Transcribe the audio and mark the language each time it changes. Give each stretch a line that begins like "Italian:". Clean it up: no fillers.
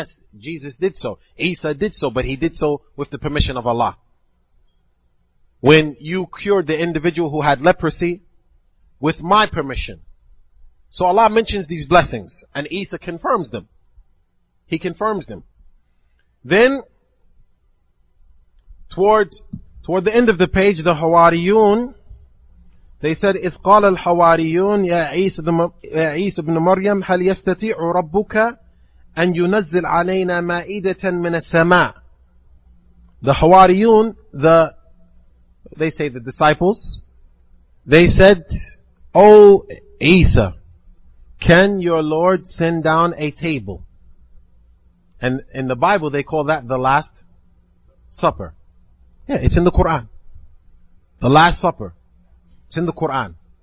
English: Yes, Jesus did so. Isa did so, but he did so with the permission of Allah. When you cured the individual who had leprosy with my permission, so Allah mentions these blessings, and Isa confirms them. He confirms them. Then, toward the end of the page, the Hawariyun, they said,
Arabic: إِذْ قَالَ الْحَوَارِيُّونَ يَا عِيسَ بْنُ مَرْيَمْ هَلْ يَسْتَطِيعُ رَبُّكَ أَنْ يُنَزِّلْ عَلَيْنَا مَائِدَةً مِنَ السَّمَاءِ.
English: The Hawariyun, the disciples, they said, O Isa, can your Lord send down a table? And in the Bible, they call that the Last Supper. Yeah, it's in the Quran. The Last Supper. It's in the Quran.